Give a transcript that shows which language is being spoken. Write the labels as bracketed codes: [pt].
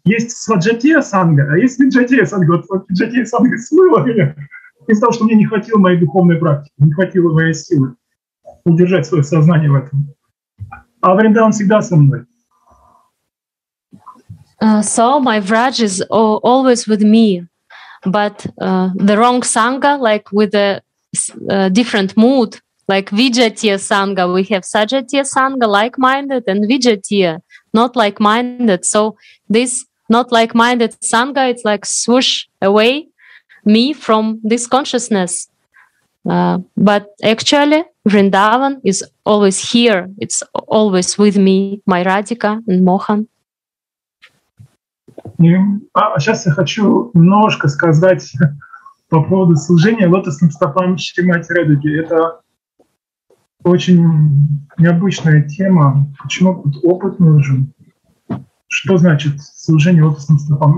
[ru] Есть Сваджатия Санга, а есть Виджатия Санга. Вот Виджатия Санга смыло меня из-за того, что мне не хватило моей духовной практики, не хватило моей силы удержать свое сознание в этом. А Вриндаван всегда со мной. [en] So my Vraj is always with me, but the wrong Sangha, like with a different mood, like Vijatiya Sangha, we have Sajatiya Sangha, like-minded, and Vijatiya, not like-minded. So this not like-minded Sangha, it's like swoosh away me from this consciousness. But actually, Vrindavan is always here. It's always with me, my Radhika and Mohan. [ru] А сейчас я хочу немножко сказать по поводу служения лотосным стопам Шримати Радики. Это очень необычная тема. Почему тут опыт нужен? Что значит служение лотосным стопам?